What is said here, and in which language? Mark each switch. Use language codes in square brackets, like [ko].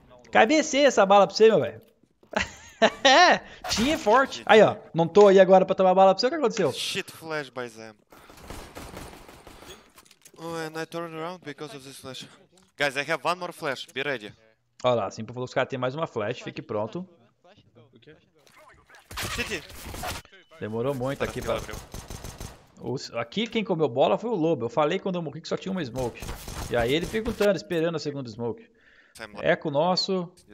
[pt] Cabecei essa bala pra você, meu velho. É, tinha forte. Aí, ó. Não tô aí agora pra tomar bala pra você. O que aconteceu? [en] Shit, flash by Zam. Oh, and I turned around because of this flash. Guys, I have one more flash. Be ready. [pt] Olha lá, Simpo falou que os caras têm mais uma flash. Fique pronto. Demorou muito aqui pra... Aqui quem comeu bola foi o Lobo. Eu falei quando eu morri que só tinha uma smoke. E aí ele perguntando, esperando a segunda smoke. Eco nosso.